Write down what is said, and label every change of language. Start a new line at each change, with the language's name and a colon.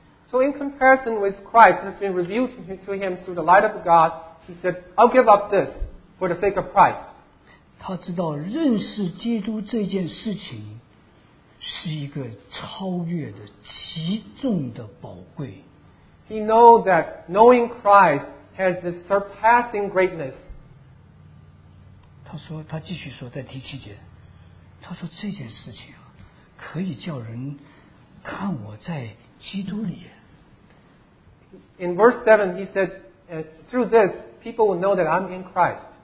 English: So in comparison with Christ, it's been revealed to him through the light of God. He said, "I'll give up this for the sake of Christ."
Chinese: 他知道认识基督这件事情是一个超越的、极重的宝贵。
English: He knows that knowing Christ has this surpassing greatness.
Chinese: 他说，他继续说，在第七节，他说这件事情啊，可以叫人看我在基督里。
English: In verse 7, he said, through this, people will know that I'm in Christ.